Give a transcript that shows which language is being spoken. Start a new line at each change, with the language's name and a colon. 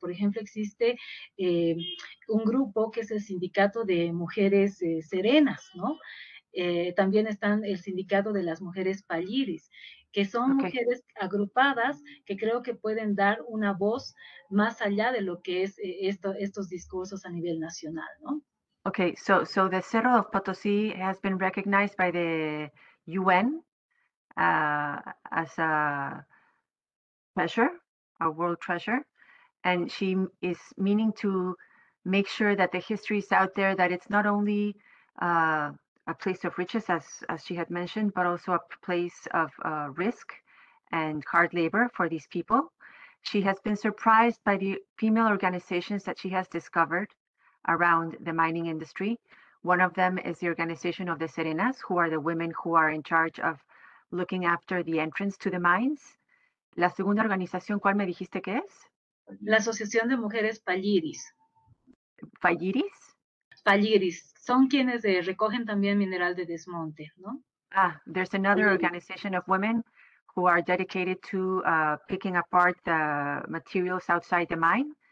Spanish: Por ejemplo, existe un grupo que es el Sindicato de Mujeres Serenas, ¿no? También están el sindicato de las mujeres Palliris, que son mujeres agrupadas que creo que pueden dar una voz más allá de lo que es estos discursos a nivel nacional, ¿no?
English: Okay, so the Cerro of Potosí has been recognized by the UN as a treasure, a world treasure, and she is meaning to make sure that the history is out there, that it's not only a place of riches, as she had mentioned, but also a place of risk and hard labor for these people. She has been surprised by the female organizations that she has discovered around the mining industry. One of them is the organization of the Serenas, who are the women who are in charge of looking after the entrance to the mines.
Spanish: La segunda organización, ¿cuál me dijiste que es? La Asociación de Mujeres Palliris. Palliris? Palliris. Son quienes recogen también mineral de desmonte, ¿no?
English: Ah, there's another organization of women who are dedicated to picking apart the materials outside the mine.